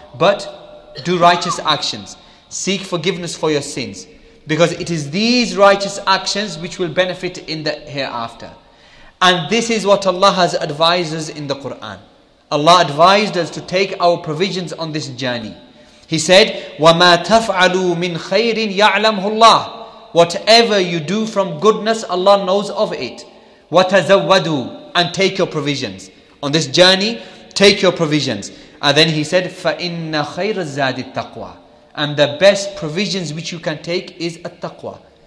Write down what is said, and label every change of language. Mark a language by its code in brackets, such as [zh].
[en] But do righteous actions. Seek forgiveness for your sins. Because it is these righteous actions which will benefit in the hereafter. And this is what Allah has advised us in the Quran. Allah advised us to take our provisions on this journey. He said, [ar] وَمَا تَفْعَلُوا مِنْ خَيْرٍ يَعْلَمْهُ اللَّهُ. [en] Whatever you do from goodness, Allah knows of it. [ar] وَتَزَوَّدُوا. [en] And take your provisions. On this journey, take your provisions. And then he said, [ar] فَإِنَّ خَيْرَ الزَّادِ التَّقْوَى. [en] And the best provisions which you can take is التَّقْوَى.